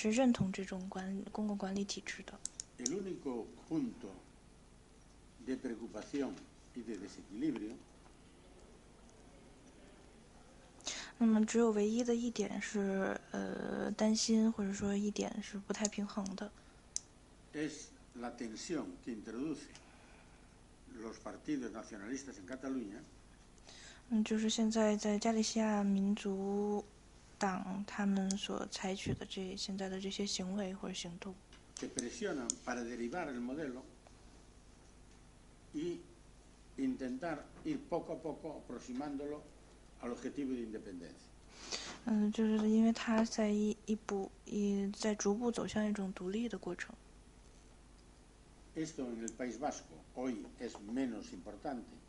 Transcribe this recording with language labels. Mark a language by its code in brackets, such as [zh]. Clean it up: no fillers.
[zh] 那么现在呢，没有一个特别确切的数据，但是一个大体的趋势或者说一个总体的趋向是，大多数的西班牙人是认同这种公共管理体制的。 [es] El único punto de preocupación y de desequilibrio [zh] 那么只有唯一的一点是担心或者说一点是不太平衡的 [es] es la tensión que introduce los partidos nacionalistas en Cataluña [zh] 就是现在在加利西亚民族党他们所采取的现在的这些行为或者行动 [es] que presionan para derivar el modelo y intentar ir poco a poco aproximándolo al objetivo de independencia [zh] 就是因为它在逐步走向一种独立的过程 [es] Esto en el País Vasco hoy es menos importante